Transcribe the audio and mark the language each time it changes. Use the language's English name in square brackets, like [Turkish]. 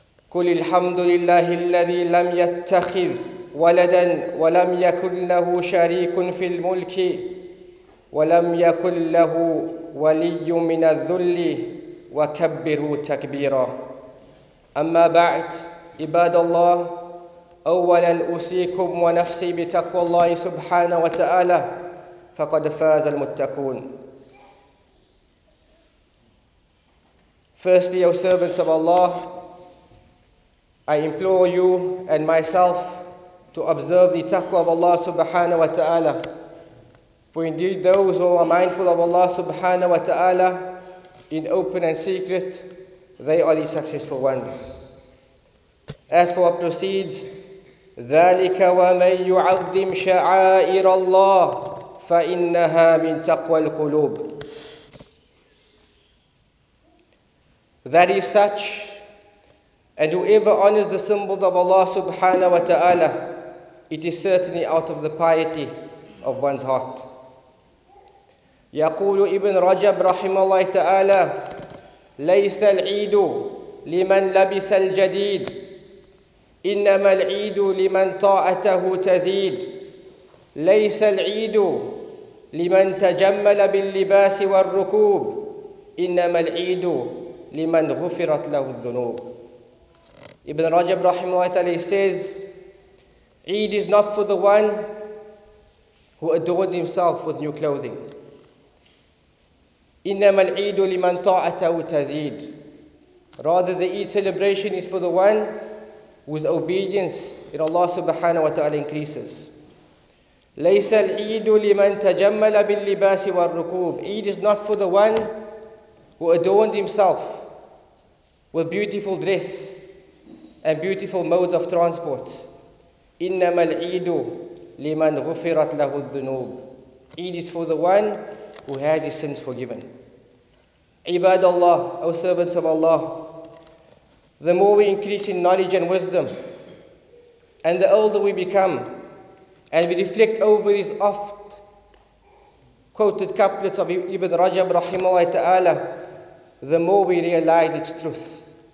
[Arabic] قل الحمد لله الذي لم يتخذ ولدا ولم يكن له شريك في الملك ولم يكن له ولي من الذل وكبروا تكبيرا أما بعد عباد الله أولا أوصيكم ونفسي بتقوى الله سبحانه وتعالى فقد فاز المتقون. [English] Firstly, O servants of Allah, I implore you and myself to observe the taqwa of Allah subhanahu wa ta'ala. For indeed those who are mindful of Allah subhanahu wa ta'ala in open and secret, they are the successful ones. As for what proceeds, [Arabic] ذَلِكَ وَمَنْ يُعَظِّمْ شَعَائِرَ اللَّهِ فَإِنَّهَا مِنْ تَقْوَى الْقُلُوبِ. [English] That is such, and whoever honors the symbols of Allah subhanahu wa ta'ala, it is certainly out of the piety of one's heart. [Arabic] يقول ابن رجب رحمه الله تعالى ليس العيد لمن لبس الجديد إنما العيد لمن طاعته تزيد ليس العيد لمن تجمل باللباس والركوب إنما العيد لمن غفرت له الذنوب. [English] Ibn Rajab rahimahullah ta'ala says, Eid is not for the one who adorned himself with new clothing. [Arabic] إنما العيد لمن طاعته تزيد. [English] Rather, the Eid celebration is for the one whose obedience in Allah subhanahu wa ta'ala increases. [Arabic] ليس العيد لمن تجمل باللباس والركوب. [English] Eid is not for the one who adorned himself with beautiful dress and beautiful modes of transport. [Arabic] إنما العيد لمن غفرت له الذنوب. [English] Eid is for the one who has his sins forgiven. [Arabic] عباد الله, [English] O servants of Allah, the more we increase in knowledge and wisdom, and the older we become, and we reflect over these oft quoted couplets of Ibn Rajab rahimahullah ta'ala, the more we realize its truth.